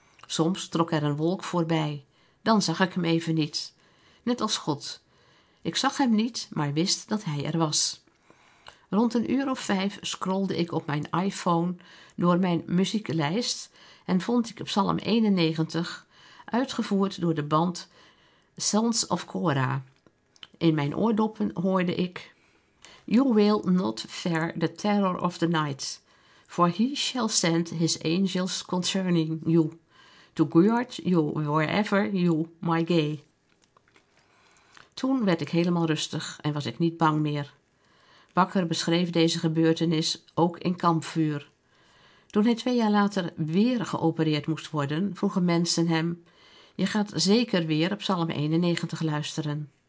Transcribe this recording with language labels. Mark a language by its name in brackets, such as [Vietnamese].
[Dutch] Soms trok er een wolk voorbij. Dan zag ik hem even niet. Net als God. Ik zag hem niet, maar wist dat hij er was. Rond 1:05 scrolde ik op mijn iPhone door mijn muzieklijst en vond ik Psalm 91, uitgevoerd door de band Sons of Korah. In mijn oordoppen hoorde ik: [English] You will not fear the terror of the night, for he shall send his angels concerning you, to guard you wherever you might go. [Dutch] Toen werd ik helemaal rustig en was ik niet bang meer. Bakker beschreef deze gebeurtenis ook in Kampvuur. Toen hij 2 jaar later weer geopereerd moest worden, vroegen mensen hem: Je gaat zeker weer op Psalm 91 luisteren.